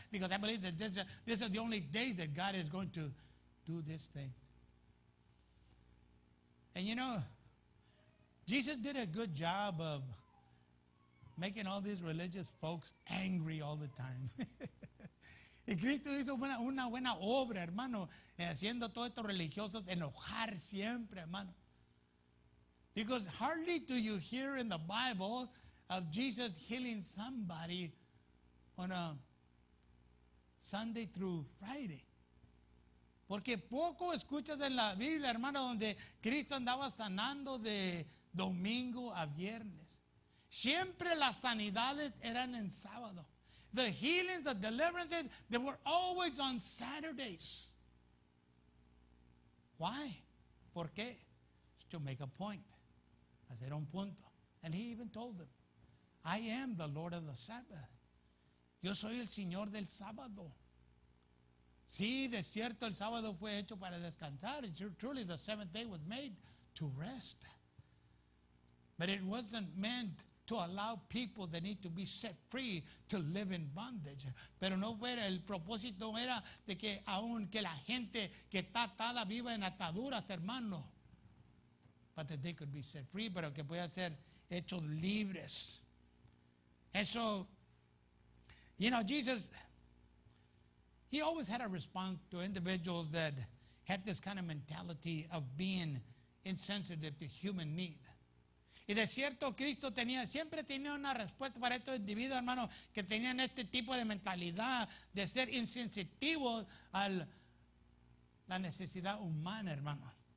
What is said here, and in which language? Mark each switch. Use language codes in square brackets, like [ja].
[en] Because I believe that this is the only days that God is going to do this thing. And you know, Jesus did a good job of making all these religious folks angry all the time. [es] Y Cristo hizo una buena obra, hermano, haciendo todos estos religiosos enojar siempre, hermano. [en] Because hardly do you hear in the Bible of Jesus healing somebody on a Sunday through Friday. [es] Porque poco escuchas en la Biblia, hermano, donde Cristo andaba sanando de domingo a viernes. Siempre las sanidades eran en sábado. [en] The healings, the deliverances, they were always on Saturdays. Why? [es] ¿Por qué? [en] To make a point. [es] Hacer un punto. [en] And he even told them, I am the Lord of the Sabbath. [es] Yo soy el Señor del sábado. Sí, de cierto, el sábado fue hecho para descansar. [en] Truly, the seventh day was made to rest. But it wasn't meant to allow people that need to be set free to live in bondage. [es] Pero no fuera, el propósito era de que aun que la gente que está atada viva en ataduras, hermano. [en] But that they could be set free, [es] pero que puedan ser hechos libres. [en] Eso, you know, Jesus, he always had a response to individuals that had this kind of mentality of being insensitive to human need. [es] Y de cierto, Cristo tenía, siempre tenía una respuesta para estos individuos, hermano, que tenían este tipo de mentalidad de ser insensitivo a la necesidad humana, hermano.